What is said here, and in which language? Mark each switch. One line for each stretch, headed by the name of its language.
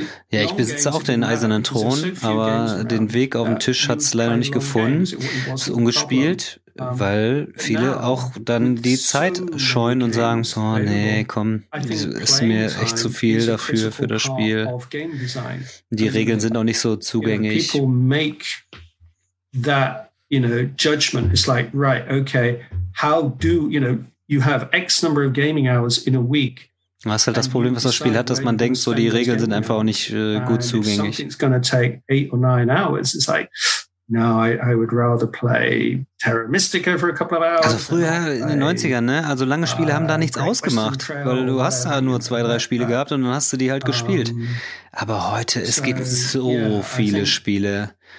German: Ja, ich besitze auch den Eisernen Thron, aber den Weg auf dem Tisch hat es leider nicht gefunden. Es ist ungespielt, weil viele auch dann die Zeit scheuen und sagen, oh nee, komm, es ist mir echt zu viel dafür, für das Spiel. Die Regeln sind auch nicht so zugänglich.
English: People make that, you know, judgment. It's like, right, okay, how do, you know, you have X number of gaming hours in a week.
German: Das ist halt das Problem, was das Spiel hat, dass man denkt, so die Regeln sind einfach auch nicht gut zugänglich.
English: It's going to take 8 or 9 hours. It's like, no, I would rather play Terra Mystica for a couple of hours.
German: Also früher in den 90ern, ne? Also lange Spiele haben da nichts ausgemacht, weil du hast da nur 2, 3 Spiele gehabt und dann hast du die halt gespielt. Aber heute, es gibt so viele Spiele.